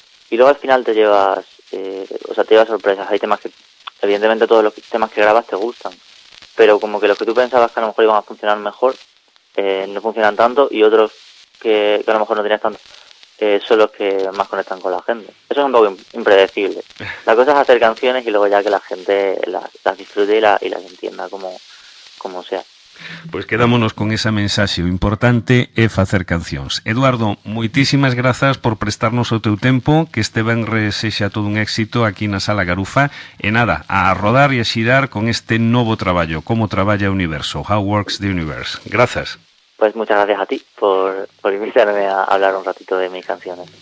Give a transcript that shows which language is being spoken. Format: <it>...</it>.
<es>Y luego al final te llevas... te lleva sorpresas. Hay temas que, evidentemente, todos los temas que grabas te gustan, pero como que los que tú pensabas que a lo mejor iban a funcionar mejor no funcionan tanto, y otros que a lo mejor no tenías tanto son los que más conectan con la gente. Eso es un poco impredecible. La cosa es hacer canciones y luego ya que la gente las disfrute y las entienda como sea.</es> <gl>Pues quedámonos con esa mensaxe. O importante é facer cancións. Eduardo, moitísimas grazas por prestarnos o teu tempo. Que este venres sexa todo un éxito aquí na Sala Garufa. E nada, a rodar e a xirar con este novo traballo. Como traballa o universo?</gl> <en>How works the universe?</en> <gl>Grazas.</gl> <es>Pues muchas gracias a ti por invitarme a hablar un ratito de mis canciones.</es>